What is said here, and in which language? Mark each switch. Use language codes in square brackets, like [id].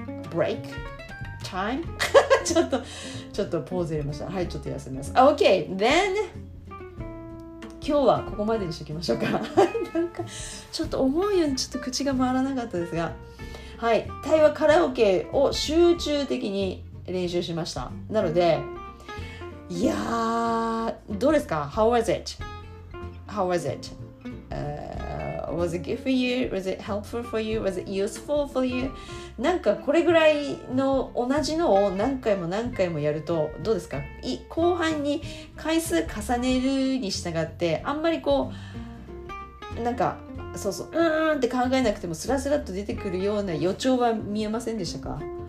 [en] break time [ja] ちょっとポーズ入れましたはいちょっと休みます [en] OK then [ja] 今日はここまでにしておきましょうか。なんかちょっと思うようにちょっと口が回らなかったですが、はい、対話カラオケを集中的に練習しました。なので、いやーどうですか ？ [en] How was it? How was it?、Was it good for you? Was it helpful for you? Was it useful for you? [ja] なんかこれぐらいの同じのを何回も何回もやるとどうですか？後半に回数重ねるに従ってあんまりこうなんかそうそう、うーんって考えなくてもスラスラっと出てくるような予兆は見えませんでしたか？